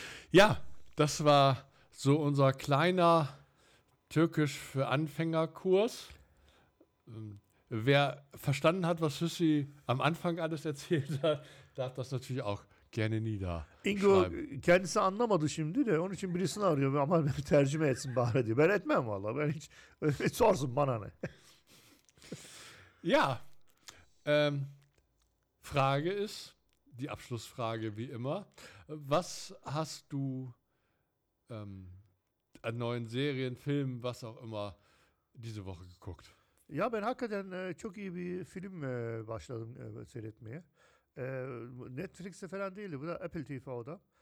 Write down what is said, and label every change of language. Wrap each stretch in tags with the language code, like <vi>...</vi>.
<de>Ja, das war so unser kleiner Türkisch für Anfänger-Kurs. Wer verstanden hat, was Hüssi am Anfang alles erzählt hat, darf das natürlich auch gerne niederschreiben.</de> <tr>Ingo, kendisi anlamadı şimdi de, onun için birisini arıyor ama tercüme etsin bari diyor. Ben etmem vallahi, ben hiç sorsun bana ne.</tr> <de>Ja, Frage ist, die Abschlussfrage wie immer. Was hast du an neuen Serien, Filmen, was auch immer, diese Woche geguckt?</de> <tr>Ja, ben hakikaten çok iyi bir film başladım seyretmeye. Netflix'te falan değildi, bu da Apple TV'da.</tr>